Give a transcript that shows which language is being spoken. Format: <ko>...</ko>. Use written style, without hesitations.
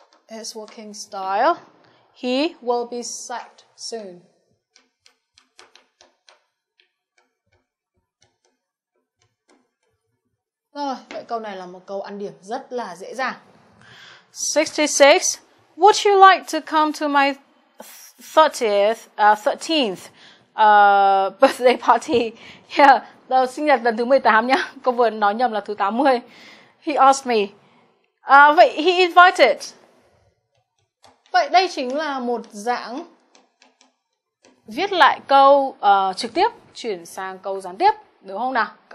<en>His working style. He will be sacked soon.</en> <vi>Rồi, vậy câu này là một câu ăn điểm rất là dễ dàng. 66.</vi> <en>Would you like to come to my 13th birthday party?</en> <vi>Yeah, đó, sinh nhật lần thứ 18 nhá. Cô vừa nói nhầm là thứ 80.</vi> <en>He asked me.</en> <vi>Vậy</vi> <en>he invited.</en> <vi>Vậy đây chính là một dạng viết lại câu trực tiếp chuyển sang câu gián tiếp, đúng không nào?</vi>